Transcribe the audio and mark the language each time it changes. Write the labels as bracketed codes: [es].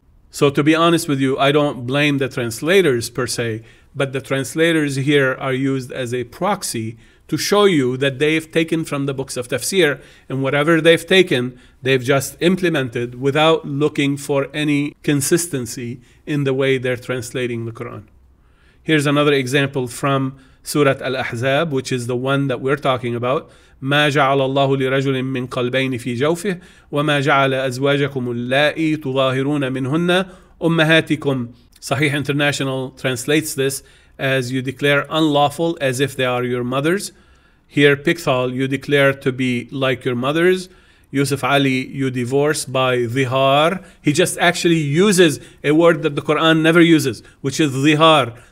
[en] So to be honest with you, I don't blame the translators per se, but the translators here are used as a proxy to show you that they've taken from the books of tafsir, and whatever they've taken, they've just implemented without looking for any consistency in the way they're translating the Quran. Here's another example from Surah Al-Ahzab, which is the one that we're talking about. [ar] ما جعل الله لرجل من قلبين في جوفه وما جعل أزواجكم اللائي تظاهرون منهن أمهاتكم. [en] Sahih International translates this as, you declare unlawful as if they are your mothers. Here, Pikthal, you declare to be like your mothers. Yusuf Ali, you divorce by zihar. He just actually uses a word that the Quran never uses, which is zihar.